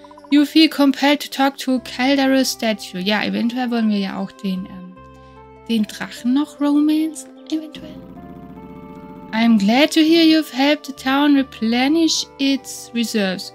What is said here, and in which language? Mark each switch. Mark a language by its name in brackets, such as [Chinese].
[English] You feel compelled to talk to Caldera Statue. [German] Ja, eventuell wollen wir ja auch den Drachen noch romance. Eventuell. [English] I'm glad to hear you've helped the town replenish its reserves.